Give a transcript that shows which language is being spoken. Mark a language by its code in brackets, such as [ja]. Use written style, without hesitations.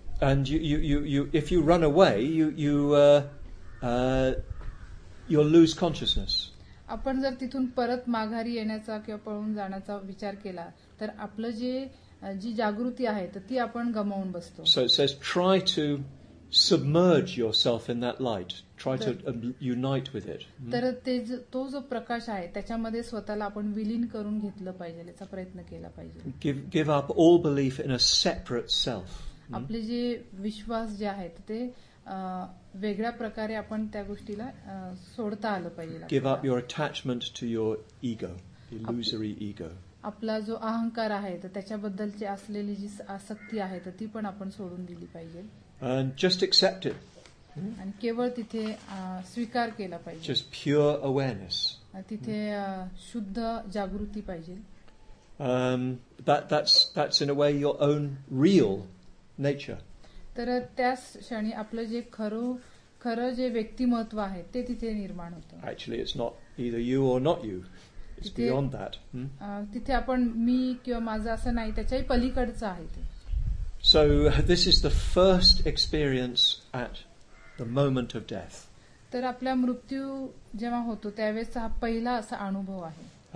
[en] And you if you run away you lose consciousness. [mr] आपण जर तिथून परत माघारी येण्याचा किंवा पळून जाण्याचा विचार केला तर आपलं जे जी जागृती आहे तर ती आपण गमावून बसतो. [en] So it says try to submerge yourself in that light. Try to unite with it. [mr] तर तो जो प्रकाश आहे त्याच्यामध्ये स्वतःला आपण विलीन करून घेतलं पाहिजे, याचा प्रयत्न केला पाहिजे. [en] Give up all belief in a separate self. [mr] आपले जे विश्वास जे आहेत ते वेगळ्या प्रकारे आपण त्या गोष्टीला सोडता आलं पाहिजे. [en] Give up your attachment to your ego, illusory ego. [mr] आपला जो अहंकार आहे तर त्याच्याबद्दलची असलेली जी आसक्ती आहे तर ती पण आपण सोडून दिली पाहिजे. [en] Just accept it. [mr] आणि केवळ तिथे स्वीकार केला पाहिजे. [en] Just pure awareness. [mr] तिथे शुद्ध जागृती पाहिजे. [en] That's in a way your own real nature. [mr] तर त्याच क्षणी आपलं जे खरं जे व्यक्तिमत्व आहे ते तिथे निर्माण होतं. [en] Actually it's not either you or not you. It's beyond that. [mr] तिथे आपण मी किंवा माझं असं नाही, त्याच्याही पलीकडचं आहे ते. [en] So this is the first experience at the moment of death. [mr] तर आपल्या मृत्यू जेव्हा होतो त्यावेळेचा हा पहिला असा अनुभव आहे.